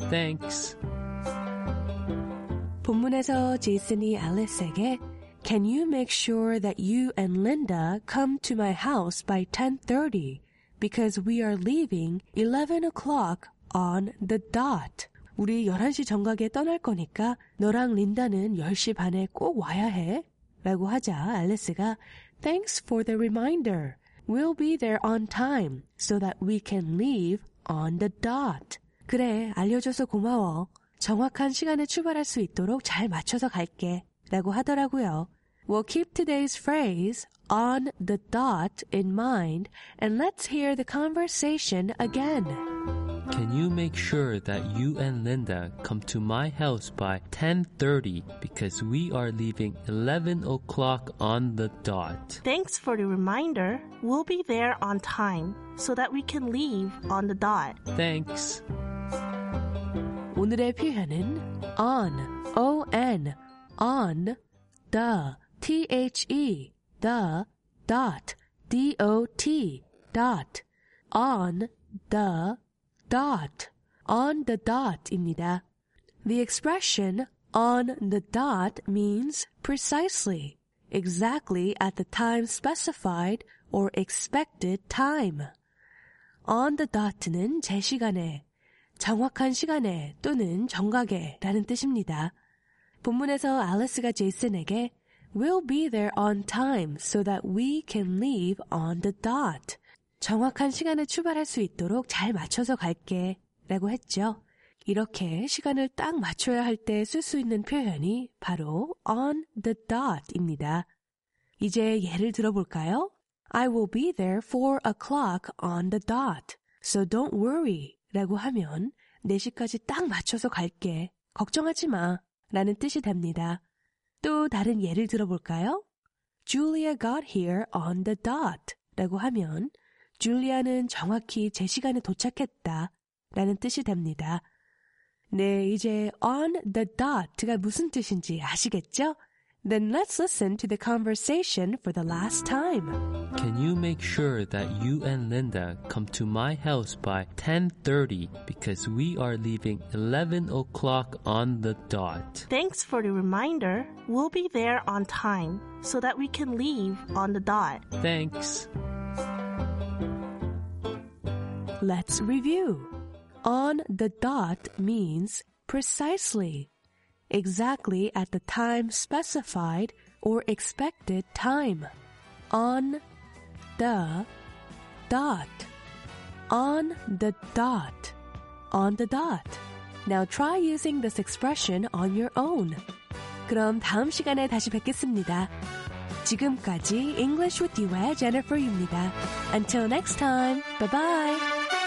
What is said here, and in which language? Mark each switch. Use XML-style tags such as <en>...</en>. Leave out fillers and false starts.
<en>Thanks.</en> <ko>본문에서 제이슨이 앨리스에게</ko> <en>Can you make sure that you and Linda come to my house by 10:30 because we are leaving 11 o'clock on the dot?</en> <ko>우리 11시 정각에 떠날 거니까 너랑 린다는 10시 반에 꼭 와야 해. 라고 하자 앨리스가</ko> <en>Thanks for the reminder. We'll be there on time so that we can leave on the dot.</en> <ko>그래, 알려줘서 고마워. 정확한 시간에 출발할 수 있도록 잘 맞춰서 갈게. 라고 하더라고요.</ko> <en>We'll keep today's phrase on the dot in mind and let's hear the conversation again. Can you make sure that you and Linda come to my house by 10:30 because we are leaving 11 o'clock on the dot? Thanks for the reminder. We'll be there on time so that we can leave on the dot. Thanks.</en> <ko>오늘의 표현은 on, O-N, on, the, T-H-E, the, dot, D-O-T, dot, on, the, dot, on the dot입니다.</ko> <en>The expression on the dot means precisely, exactly at the time specified or expected time.</en> <ko>On the dot는 제 시간에, 정확한 시간에 또는 정각에 라는 뜻입니다. 본문에서 앨리스가 제이슨에게</ko> <en>We'll be there on time so that we can leave on the dot.</en> <ko>정확한 시간에 출발할 수 있도록 잘 맞춰서 갈게 라고 했죠. 이렇게 시간을 딱 맞춰야 할 때 쓸 수 있는 표현이 바로 on the dot입니다. 이제 예를 들어볼까요?</ko> <en>I will be there 4 o'clock on the dot, so don't worry</en> <ko>라고 하면 4시까지 딱 맞춰서 갈게, 걱정하지 마 라는 뜻이 됩니다. 또 다른 예를 들어볼까요? Julia got here on the dot 라고 하면 줄리아는 정확히 제 시간에 도착했다 라는 뜻이 됩니다. 네, 이제 on the dot가 무슨 뜻인지 아시겠죠?</ko> <en>Then let's listen to the conversation for the last time. Can you make sure that you and Linda come to my house by 10:30 because we are leaving 11 o'clock on the dot? Thanks for the reminder. We'll be there on time so that we can leave on the dot. Thanks. Let's review. On the dot means precisely, exactly at the time specified or expected time. On the dot. On the dot. On the dot. Now try using this expression on your own.</en> <ko>그럼 다음 시간에 다시 뵙겠습니다. 지금까지 English with UA의 Jennifer입니다.</ko> <en>Until next time, bye-bye.</en>